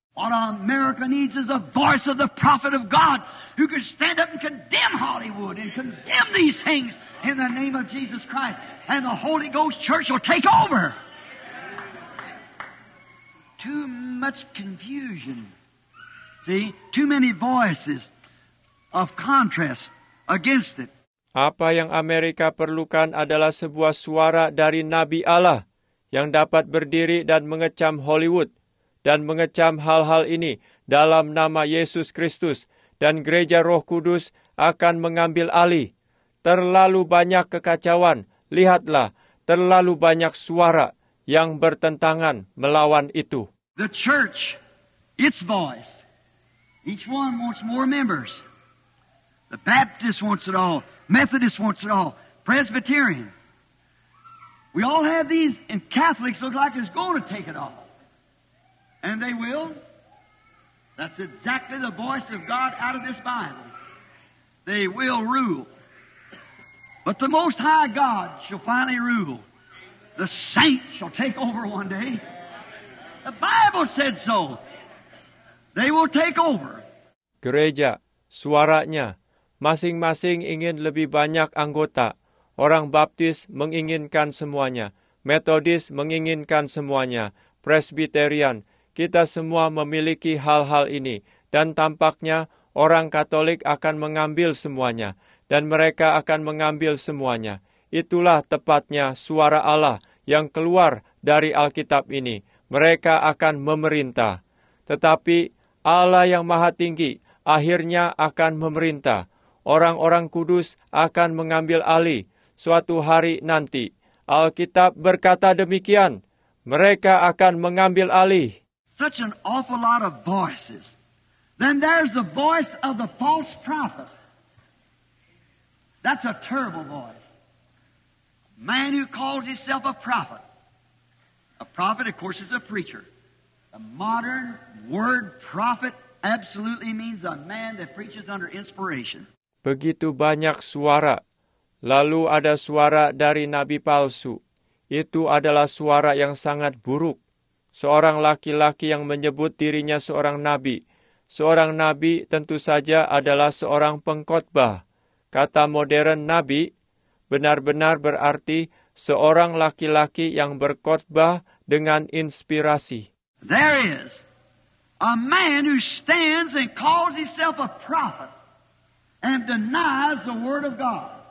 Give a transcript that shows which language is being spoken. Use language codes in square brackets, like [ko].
[en] What America needs is a voice of the prophet of God who can stand up and condemn Hollywood and condemn these things in the name of Jesus Christ. And the Holy Ghost Church will take over. Too much confusion. See, too many voices of contrast against it. [id] Apa yang Amerika perlukan adalah sebuah suara dari Nabi Allah yang dapat berdiri dan mengecam Hollywood dan mengecam hal-hal ini dalam nama Yesus Kristus, dan gereja Roh Kudus akan mengambil alih. Terlalu banyak kekacauan, lihatlah, terlalu banyak suara yang bertentangan melawan itu. [en] The church, its voice, each one wants more members. The Baptist wants it all, Methodist wants it all, Presbyterian. We all have these, and Catholics look like it's going to take it all. And they will. That's exactly the voice of God out of this Bible. They will rule. But the Most High God shall finally rule. The saints shall take over one day. The Bible said so. They will take over. [id] Gereja, suaranya, masing-masing ingin lebih banyak anggota. Orang Baptis menginginkan semuanya. Methodist menginginkan semuanya. Presbyterian. Kita semua memiliki hal-hal ini, dan tampaknya orang Katolik akan mengambil semuanya, dan mereka akan mengambil semuanya. Itulah tepatnya suara Allah yang keluar dari Alkitab ini. Mereka akan memerintah. Tetapi Allah yang Maha Tinggi akhirnya akan memerintah. Orang-orang kudus akan mengambil alih suatu hari nanti. Alkitab berkata demikian. Mereka akan mengambil alih. [en] Such an awful lot of voices. Then there's the voice of the false prophet. That's a terrible voice. Man who calls himself a prophet. A prophet, of course, is a preacher. The modern word prophet absolutely means a man that preaches under inspiration. [id] Begitu banyak suara. Lalu ada suara dari nabi palsu. Itu adalah suara yang sangat buruk. Seorang laki-laki yang menyebut dirinya seorang nabi. Seorang nabi tentu saja adalah seorang pengkhotbah. Kata modern nabi benar-benar berarti seorang laki-laki yang berkhotbah dengan inspirasi. [en] There is a man who stands and calls himself a prophet and denies the word of God.